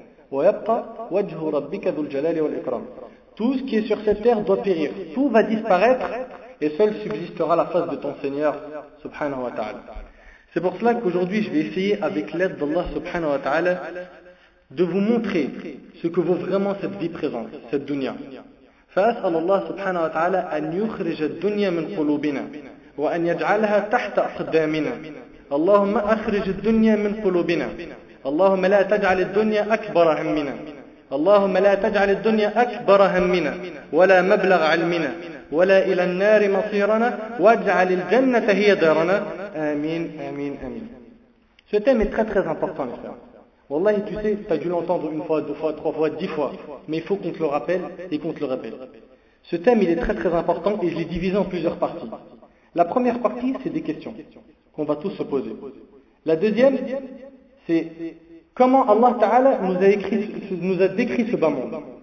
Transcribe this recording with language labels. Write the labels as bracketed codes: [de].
[ar] Wa yabqa wajhu rabbika dhul jalali wal ikram. [fr] Tout ce qui est sur cette terre doit périr. Tout va disparaître. Et seul subsistera la face de ton Seigneur, subhanahu wa ta'ala. C'est pour cela qu'aujourd'hui, je vais essayer, avec l'aide d'Allah, subhanahu wa ta'ala, de vous montrer ce que vaut vraiment cette vie présente, cette dunya. [ar] فأسأل الله subhanahu wa ta'ala أن يخرج الدنيا من قلوبنا وأن يجعلها تحت أقدامنا. اللهم أخرج الدنيا من قلوبنا. اللهم لا تجعل الدنيا أكبر همنا. اللهم لا تجعل الدنيا أكبر همنا ولا مبلغ علمنا. ولا إلى النار مصيرنا واجعل الجنة هي دارنا آمين آمين آمين. [fr] Ce thème est très très important, frère. Wallahi, tu sais, tu as dû l'entendre une fois, deux fois, trois fois, dix fois, mais il faut qu'on te le rappelle et qu'on te le répète. Ce thème, il est très très important et je l'ai divisé en plusieurs parties. La première partie, c'est des questions qu'on va tous se poser. La deuxième, c'est comment Allah Ta'ala nous a décrit ce bas monde.